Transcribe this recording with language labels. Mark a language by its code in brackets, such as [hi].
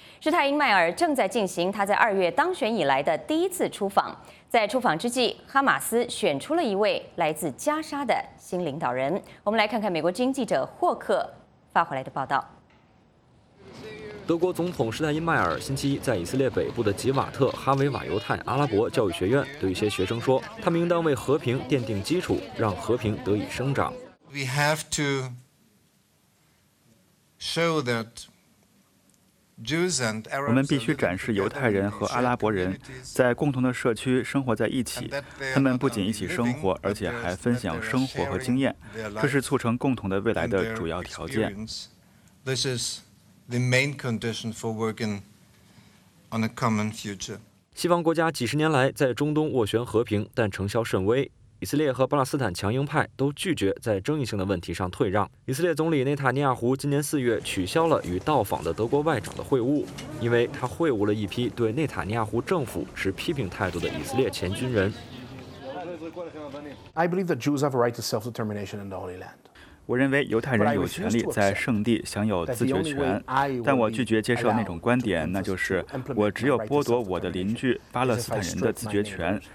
[zh] 施泰因迈尔正在进行他在2月当选以来的第一次出访，在出访之际，哈马斯选出了一位来自加沙的新领导人。我们来看看美国之音记者霍克发回来的报道。德国总统施泰因迈尔星期一在以色列北部的吉瓦特哈维瓦犹太阿拉伯教育学院对一些学生说，他们应当为和平奠定基础，让和平得以生长。 [en] We have to show that Jews and Arabs. [zh] 我们必须展示犹太人和阿拉伯人在共同的社区生活在一起。他们不仅一起生活，而且还分享生活和经验。这是促成共同的未来的主要条件。 [en] This is the main condition for working on a common future. [zh] 西方国家几十年来在中东斡旋和平，但成效甚微。以色列和巴勒斯坦强硬派都拒绝在争议性的问题上退让。以色列总理内塔尼亚胡今年四月取消了与到访的德国外长的会晤，因为他会晤了一批对内塔尼亚胡政府持批评态度的以色列前军人。 [en] I believe that Jews have a right to self-determination in the Holy Land. [zh] 我认为犹太人有权利在圣地享有自决权，但我拒绝接受那种观点，那就是我只有剥夺我的邻居巴勒斯坦人的自决权。